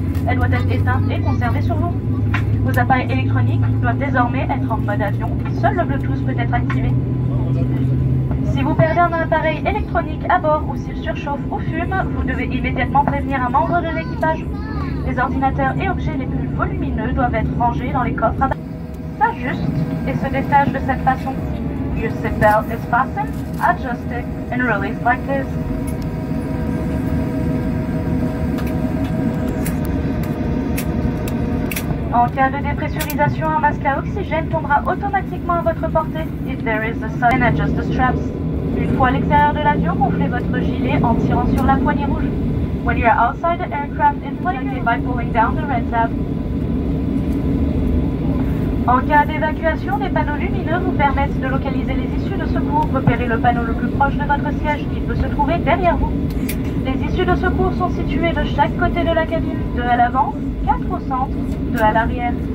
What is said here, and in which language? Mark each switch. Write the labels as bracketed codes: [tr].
[fr] Elle doit être éteinte et conservée sur vous. Vos appareils électroniques doivent désormais être en mode avion. Seul le Bluetooth peut être activé. Si vous perdez un appareil électronique à bord ou s'il surchauffe ou fume, vous devez immédiatement prévenir un membre de l'équipage. Les ordinateurs et objets les plus volumineux doivent être rangés dans les coffres à bagages. S'ajuste et se détache de cette façon. [en] Your seatbelt is fastened, adjusted, and released like this. [fr] En cas de dépressurisation, un masque à oxygène tombera automatiquement à votre portée. [en] If there is a sudden, adjust the straps. [fr] Une fois à l'extérieur de l'avion, gonflez votre gilet en tirant sur la poignée rouge. [en] When you are outside the aircraft, inflate it by pulling down the red tab. [fr] En cas d'évacuation, les panneaux lumineux vous permettent de localiser les issues de secours. Repérez le panneau le plus proche de votre siège, il peut se trouver derrière vous. Les issues de secours sont situées de chaque côté de la cabine, 2 à l'avant, 4 au centre, 2 à l'arrière.